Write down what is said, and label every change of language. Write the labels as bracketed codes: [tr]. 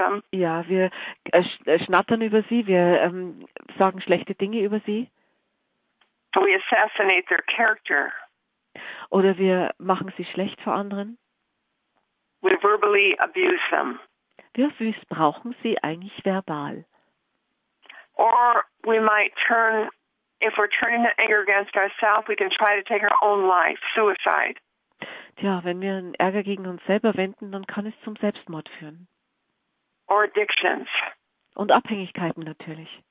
[de] Ja, wir schnattern über sie, wir sagen schlechte Dinge über sie. [en] We assassinate their character. [de] Oder wir machen sie schlecht vor anderen. [en] We verbally abuse them. [de] Wir missbrauchen sie eigentlich verbal. [en] Or we might turn, if we're turning the anger against ourselves, we can try to take our own life, suicide. [de] Tja, wenn wir einen Ärger gegen uns selber wenden, dann kann es zum Selbstmord führen. [en] Or addictions. [de] Und Abhängigkeiten natürlich.